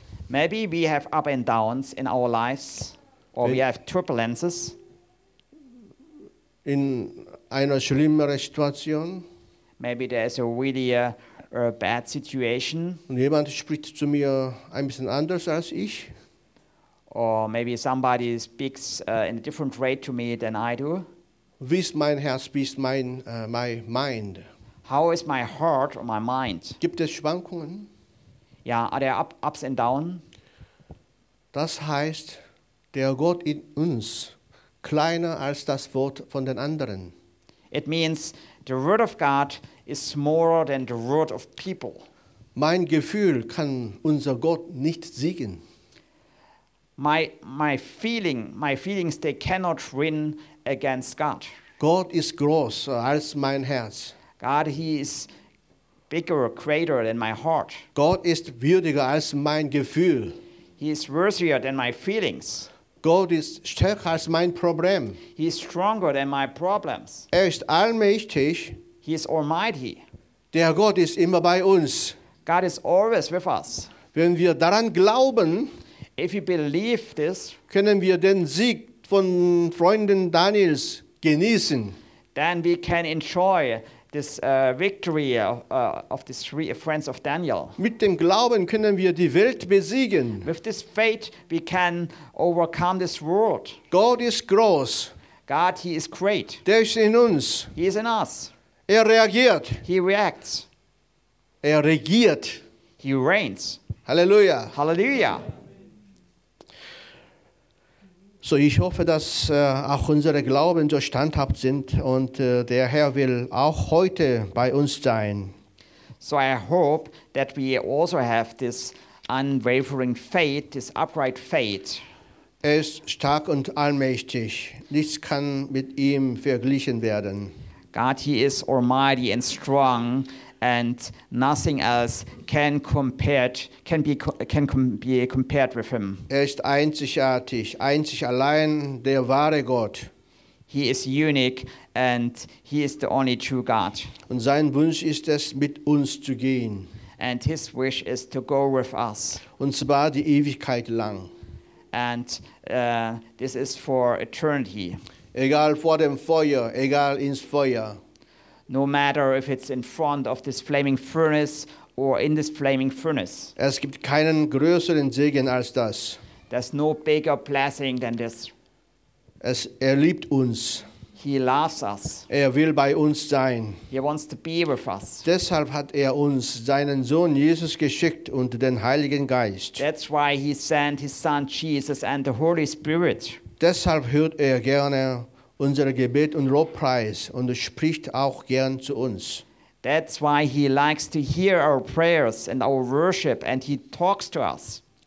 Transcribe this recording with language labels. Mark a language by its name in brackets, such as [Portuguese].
[English] Maybe we have up and downs in our lives, or we have turbulences. [German] In einer schlimmeren Situation. [English] Maybe there is a really a bad situation. [German] Und jemand spricht zu mir ein bisschen anders als ich. [English] Or maybe somebody speaks in a different way to me than I do. [German] Wie ist mein Herz, wie ist mein [English] my mind? How is my heart or my mind? [German] Gibt es Schwankungen? Ja, [English] are there ups and downs? [German] Das heißt, der Gott in uns kleiner als das Wort von den anderen. [English] It means the word of God is smaller than the word of people. [German] Mein Gefühl kann unser Gott nicht siegen. [English] My feelings, they cannot win against God. [German] Gott ist größer als mein Herz. [English] God, he is bigger or greater than my heart. [German] Gott ist würdiger als mein Gefühl. [English] He is worthier than my feelings. [German] Gott ist stärker als mein Problem. [English] He is stronger than my problems. [German] Ist allmächtig. [English] He is almighty. [German] Der Gott ist immer bei uns. [English] God is always with us. [German] Wenn wir daran glauben, [English] if you believe this, [German] können wir den Sieg von Freunden Daniels genießen. [English] Then we can enjoy this victory of the three friends of Daniel. [German] Mit dem Glauben können wir die Welt besiegen. [English] With this faith, we can overcome this world. God is groß. God, he is great. [German] Der ist in uns. [English] He is in us. [German] Reagiert. [English] He reacts. [German] Regiert. [English] He reigns. [German] Hallelujah. [English] Hallelujah. [German] So, ich hoffe, dass auch unsere Glauben so standhaft sind und der Herr will auch heute bei uns sein. [English] So, I hope that we also have this unwavering faith, this upright faith. [German] Er ist stark und allmächtig. Nichts kann mit ihm verglichen werden. [English] God, he is almighty and strong, and nothing else can be compared with him. [German] Er ist einzigartig, einzig allein der wahre Gott. [English] He is unique and he is the only true God. [German] Und sein Wunsch ist es, mit uns zu gehen. [English] And his wish is to go with us. [German] Und zwar die Ewigkeit lang. [English] And this is for eternity. [German] Egal vor dem Feuer, egal ins Feuer. [English] No matter if it's in front of this flaming furnace or in this flaming furnace. [German] Es gibt keinen größeren Segen als das. [English] There's no bigger blessing than this. [German] Liebt uns. [English] He loves us. [German] Will bei uns sein. [English] He wants to be with us. [German] Deshalb hat uns seinen Sohn Jesus geschickt und den Heiligen Geist. [English] That's why he sent his son Jesus and the Holy Spirit. [German] Deshalb hört gerne unser Gebet und Lobpreis und spricht auch gern zu uns. [English] That's why he likes to hear our prayers and our worship and he talks to us.